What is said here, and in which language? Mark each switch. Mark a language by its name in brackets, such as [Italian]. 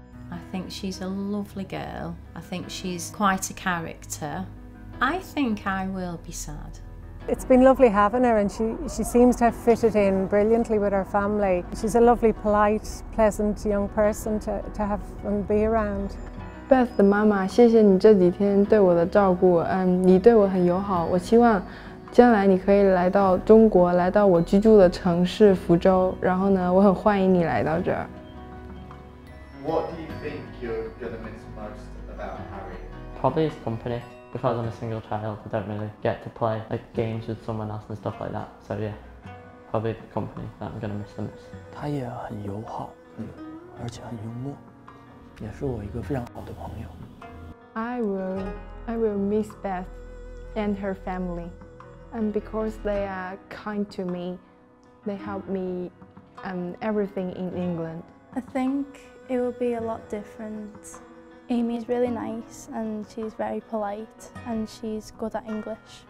[English] I think she's a lovely girl. I think she's quite a character. I think I will be sad. It's been lovely having her, and she seems to have fitted in brilliantly with her family. She's a lovely, polite, pleasant young person to have and be around. [Chinese] Beth 的妈妈，谢谢你这几天对我的照顾，你对我很友好。我希望将来你可以来到中国，来到我居住的城市福州。然后呢，我很欢迎你来到这儿。 [English] What do you think you're gonna miss most about Harry? Probably his company. Because I'm a single child, I don't really get to play like games with someone else and stuff like that. So yeah, probably the company that I'm gonna miss the most. [Chinese] 他也很友好，而且很幽默，也是我一个非常好的朋友。 [English] I will miss Beth and her family, and because they are kind to me, they help me everything in England. I think it will be a lot different. Amy is really nice, and she's very polite, and she's good at English.